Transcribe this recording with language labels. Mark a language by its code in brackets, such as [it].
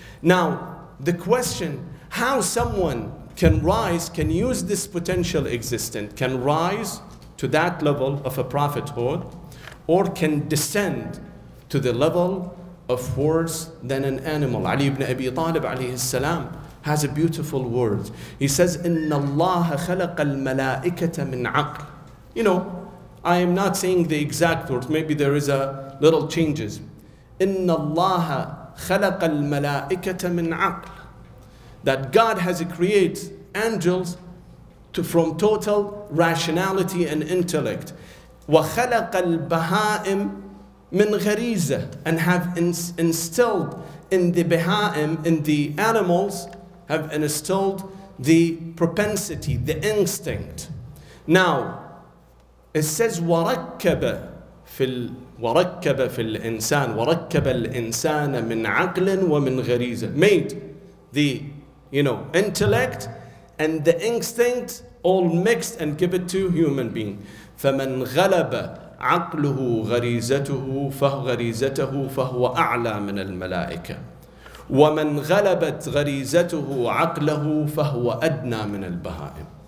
[en] Now, the question, how someone can rise, can use this potential existence, can rise to that level of a prophethood, or can descend to the level of worse than an animal? Ali ibn Abi Talib alayhi salam has a beautiful word. He says, [ar] إِنَّ اللَّهَ خَلَقَ الْمَلَائِكَةَ مِنْ عَقْلٍ. [en] You know, I am not saying the exact words. Maybe there is a little changes. [ar] إِنَّ اللَّهَ خَلَقَ الْمَلَائِكَةَ مِنْ عَقْلٍ. [en] That God has created angels from total rationality and intellect. [ar] وَخَلَقَ الْبَهَائِمِ مِنْ غَرِيزَةٍ. [en] And have instilled in the behaim, in the animals, have instilled the propensity, the instinct. Now, it says, [ar] وَرَكَّبَ فِي الْإِنسَانِ وَرَكَّبَ الْإِنسَانَ مِنْ عَقْلٍ وَمِنْ غَرِيزَةٍ. [en] Made the, you know, intellect and the instinct all mixed and give it to human being. [ar] فَمَنْ غَلَبَ عَقْلُهُ غَرِيزَتُهُ فَغَرِيزَتَهُ فَهُوَ أَعْلَى مِنَ الْمَلَائِكَةِ وَمَنْ غَلَبَتْ غَرِيزَتُهُ عَقْلَهُ فَهُوَ أَدْنَى مِنَ الْبَهَائِمِ.